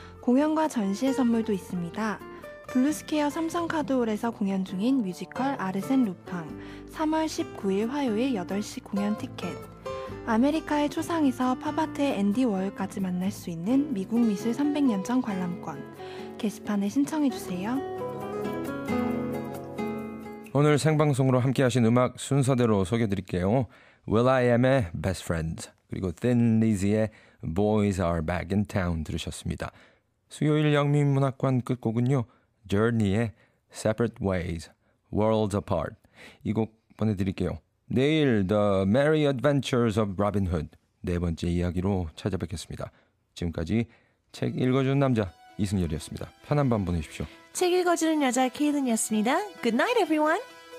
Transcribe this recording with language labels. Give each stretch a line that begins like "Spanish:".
Korean: 공연과 전시의 선물도 있습니다. 블루스퀘어 삼성카드홀에서 공연 중인 뮤지컬 아르센 루팡, 3월 19일 화요일 8시 공연 티켓, 아메리카의 초상에서 팝아트의 앤디 워홀까지 만날 수 있는 미국 미술 300년전 관람권, 게시판에 신청해주세요. 오늘 생방송으로 함께하신 음악 순서대로 소개해드릴게요. Will.i.am의 Best Friends, 그리고 Thin Lizzy의 Boys Are Back in Town 들으셨습니다. 수요일 영미문학관 끝곡은요, Journey의 Separate Ways, Worlds Apart. 이 곡 보내드릴게요. 내일 The Merry Adventures of Robin Hood 네 번째 이야기로 찾아뵙겠습니다. 지금까지 책 읽어주는 남자 이승열이었습니다. 편한 밤 보내십시오. 책 읽어주는 여자 케이든이었습니다.
English: Good night, everyone.